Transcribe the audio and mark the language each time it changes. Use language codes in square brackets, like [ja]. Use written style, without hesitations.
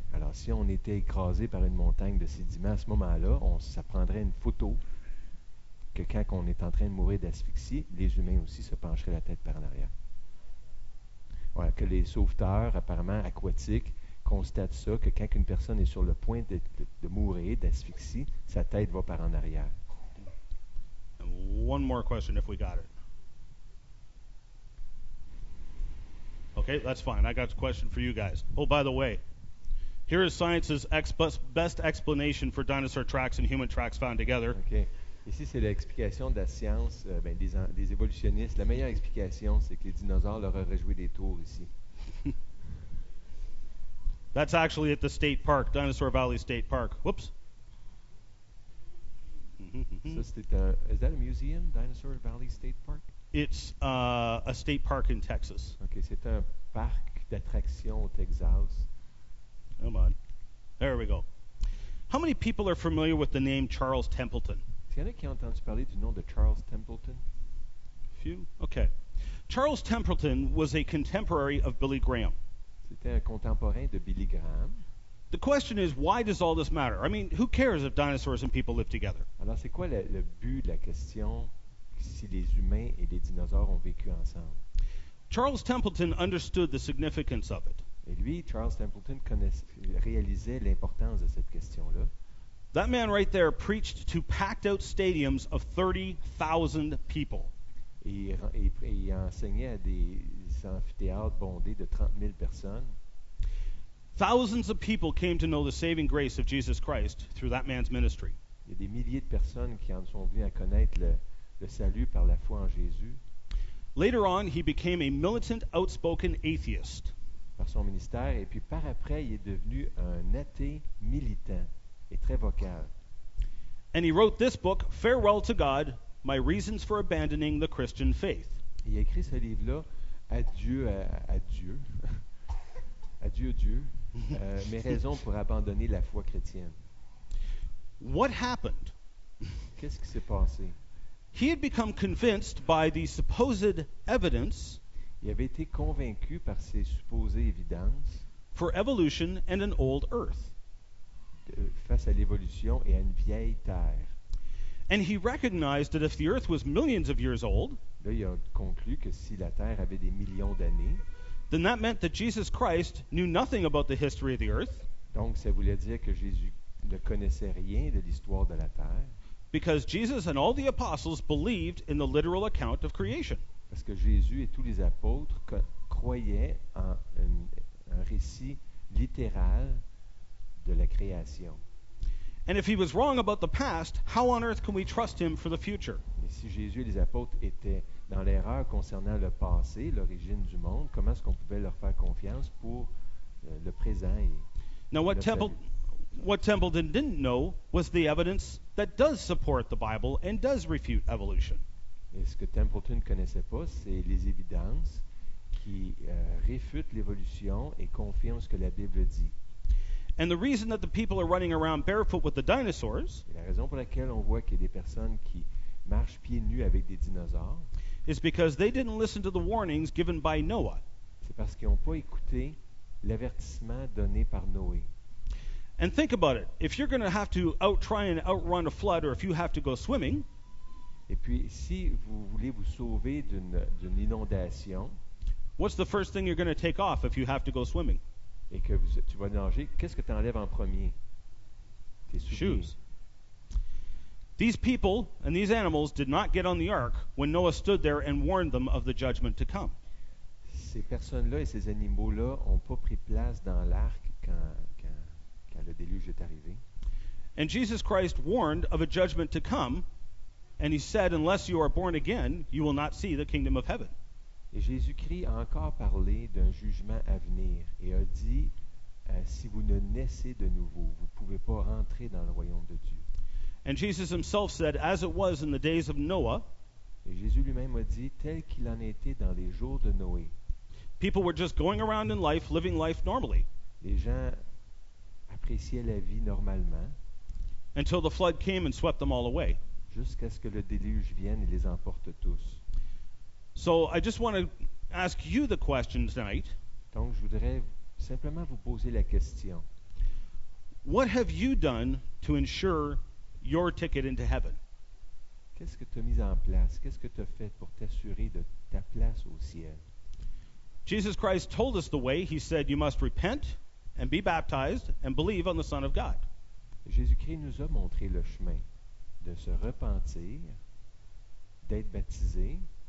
[fr] Alors, si on était écrasé par une montagne de sédiments, à ce moment-là, ça prendrait une photo que quand on est en train de mourir d'asphyxie, les humains aussi se pencheraient la tête par en arrière. Ouais, que les sauveteurs, apparemment aquatiques, constatent ça, que quand une personne est sur le point de mourir, d'asphyxie, sa tête va par en arrière. [en] And one more question if we got it. Okay, that's fine. I got a question for you guys. Oh, by the way, here is science's best explanation for dinosaur tracks and human tracks found together. Okay. [fr] Ici, c'est l'explication de la science des évolutionnistes. La meilleure explication, c'est que les dinosaures leur auraient joué des tours ici. [en] That's actually at the State Park, Dinosaur Valley State Park. Whoops. [fr] Ça, c'était un... [en] Is that a museum, Dinosaur Valley State Park? It's a state park in Texas. [fr] OK, c'est un parc d'attractions au Texas. [en] Come on. There we go. How many people are familiar with the name Charles Templeton? [fr] Il y en a qui ont entendu parler du nom de Charles Templeton? [en] Few? Okay. Charles Templeton was a contemporary of Billy Graham. [fr] C'était un contemporain de Billy Graham. [en] The question is, why does all this matter? I mean, who cares if dinosaurs and people live together? [fr] Alors, c'est quoi le but de la question si les humains et les dinosaures ont vécu ensemble? [en] Charles Templeton understood the significance of it. [fr] Et lui, Charles Templeton, réalisait l'importance de cette question-là. [en] That man right there preached to packed-out stadiums of 30,000 people. [fr] Il enseignait à des amphithéâtres bondés de 30 000 personnes. [en] Thousands of people came to know the saving grace of Jesus Christ through that man's ministry. [fr] Il y a des milliers de personnes qui en sont venues à connaître le salut par la foi en Jésus. [en] Later on, he became a militant, outspoken atheist. [fr] Par son ministère, et puis par après, il est devenu un athée militant. Et très vocal. [en] And he wrote this book, Farewell to God, My Reasons for Abandoning the Christian Faith. [fr] Il a écrit ce livre-là, Adieu à Dieu. Adieu Dieu. Mes raisons pour abandonner la foi chrétienne. [en] What happened? [fr] Qu'est-ce qui s'est passé? [en] He had become convinced by the supposed evidence. [fr] Il avait été convaincu par ses supposées évidences. [en] For evolution and an old earth. [fr] Face à l'évolution et à une vieille terre. [en] And he recognized that if the earth was millions of years old, [fr] là, il a conclu que si la terre avait des millions d'années, [en] then that meant that Jesus Christ knew nothing about the history of the earth. [fr] Donc, ça voulait dire que Jésus ne connaissait rien de l'histoire de la terre. [en] Because Jesus and all the apostles believed in the literal account of creation. [fr] Parce que Jésus et tous les apôtres croyaient en un récit littéral de la création. [en] And if he was wrong about the past, how on earth can we trust him for the future? [fr] Et si Jésus et les apôtres étaient dans l'erreur concernant le passé, l'origine du monde, comment est-ce qu'on pouvait leur faire confiance pour le présent et [en] Now what Templeton didn't know was the evidence that does support the Bible and does refute evolution. [fr] Et ce que Templeton ne connaissait pas, c'est les évidences qui réfutent l'évolution et confirment ce que la Bible dit. [en] And the reason that the people are running around barefoot with the dinosaurs, [fr] la raison pour laquelle on voit qu'il y a des personnes qui marchent pieds nus avec des dinosaures, [en] is because they didn't listen to the warnings given by Noah. [fr] C'est parce qu'ils n'ont pas écouté l'avertissement donné par Noé. [en] And think about it. If you're going to have to try and outrun a flood, or if you have to go swimming, [fr] et puis si vous voulez vous sauver d'une inondation, [en] what's the first thing you're going to take off if you have to go swimming? [fr] Et que tu vas nager, qu'est-ce que tu enlèves en premier? Tes souliers. [en] Shoes. These people and these animals did not get on the ark when Noah stood there and warned them of the judgment to come. [fr] Ces personnes-là et ces animaux-là n'ont pas pris place dans l'ark quand le déluge est arrivé. [en] And Jesus Christ warned of a judgment to come, and he said, unless you are born again, you will not see the kingdom of heaven. [fr] Et Jésus-Christ a encore parlé d'un jugement à venir et a dit, si vous ne naissez de nouveau, vous ne pouvez pas rentrer dans le royaume de Dieu. [en] And Jesus himself said, as it was in the days of Noah, [fr] et Jésus lui-même a dit, tel qu'il en était dans les jours de Noé, [en] people were just going around in life, living life normally. [fr] Les gens appréciaient la vie normalement. [en] Until the flood came and swept them all away. [fr] Jusqu'à ce que le déluge vienne et les emporte tous. [en] So I just want to ask you the question tonight. [fr] Donc je voudrais simplement vous poser la question. [en] What have you done to ensure your ticket into heaven? [fr] Qu'est-ce que tu as mis en place? Qu'est-ce que tu as fait pour t'assurer de ta place au ciel? [en] Jesus Christ told us the way. He said you must repent and be baptized and believe on the Son of God. [fr] Jésus-Christ nous a montré le chemin de se repentir, d'être baptisé.